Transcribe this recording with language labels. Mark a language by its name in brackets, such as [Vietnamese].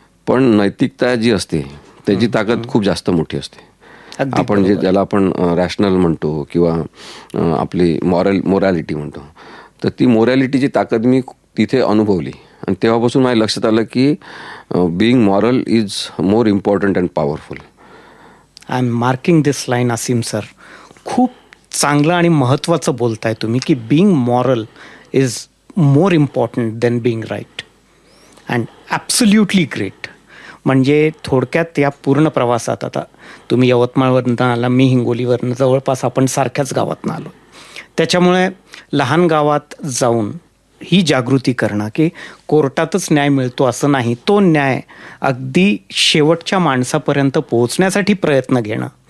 [Marathi] पण नैतिकता जी असते त्याची ताकद खूप जास्त मोठी असते. आपण जे ज्याला आपण रॅशनल म्हणतो किंवा आपली मोरॅलिटी म्हणतो तर ती मोरॅलिटीची ताकद मी तिथे अनुभवली आणि तेव्हापासून माझ्या लक्षात आलं की [English] Being moral is more important and powerful. I am marking this line Asim sir. [Marathi] खूप चांगलं आणि महत्त्वाचं बोलताय तुम्ही की [English] Being moral is more important than being right and absolutely great. [Marathi] म्हणजे थोडक्यात या पूर्ण प्रवासात आता तुम्ही यवतमाळवरनं आला मी हिंगोलीवरनं जवळपास आपण सारख्याच गावातनं आलो त्याच्यामुळे लहान गावात जाऊन ही जागृती करणं की कोर्टातच न्याय मिळतो असं नाही तो न्याय अगदी शेवटच्या माणसापर्यंत पोहोचण्यासाठी प्रयत्न घेणं